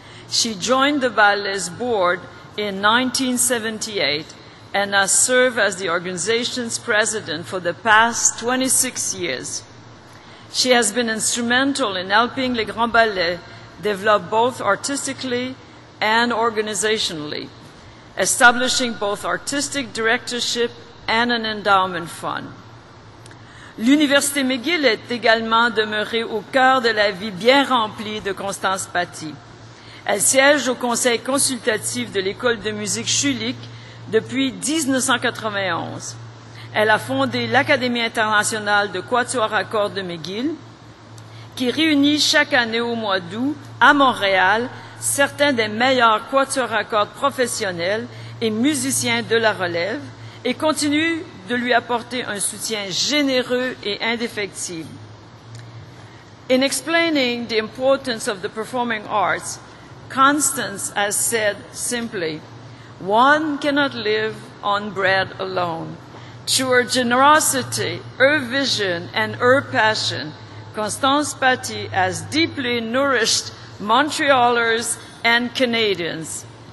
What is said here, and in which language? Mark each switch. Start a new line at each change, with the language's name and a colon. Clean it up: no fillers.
English: She joined the ballet's board in 1978 and has served as the organization's president for the past 26 years. She has been instrumental in helping Les Grands Ballets develop both artistically and organizationally, establishing both artistic directorship and an endowment fund.
French: L'Université McGill est également demeurée au cœur de la vie bien remplie de Constance Pathy. Elle siège au conseil consultatif de l'École de musique Schulich depuis 1991. Elle a fondé l'Académie internationale de quatuor à cordes de McGill, qui réunit chaque année au mois d'août, à Montréal, certains des meilleurs quatuors à cordes professionnels et musiciens de la relève et continue de lui apporter un soutien généreux et indéfectible.
English: In explaining the importance of the performing arts, Constance has said simply, "One cannot live on bread alone." To her generosity, her vision, and her passion, Constance Pathy has deeply nourished Montrealers and Canadians.